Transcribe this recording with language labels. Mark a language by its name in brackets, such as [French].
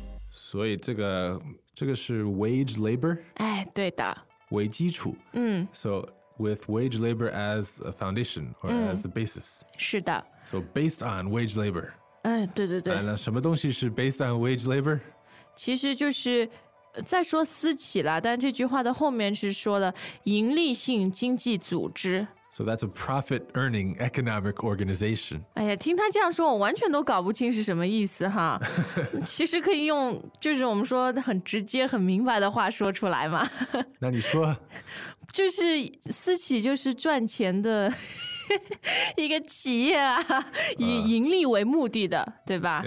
[Chinese] 所以这个是 [English] wage labor? [Chinese] 哎，对的。为基础。 [English] So with wage labor as a foundation or as a basis. [Chinese] 是的。 [English] So based on wage labor. [Chinese] 哎，对对对。那什么东西是 [English] based on wage labor? [Chinese] 其实就是再说私企了，但这句话的后面是说了盈利性经济组织。 [English] So that's a profit earning economic organization. [Chinese] 哎呀，听他这样说，我完全都搞不清是什么意思哈。其实可以用，就是我们说很直接、很明白的话说出来嘛。那你说，就是私企就是赚钱的一个企业啊，以盈利为目的的，对吧？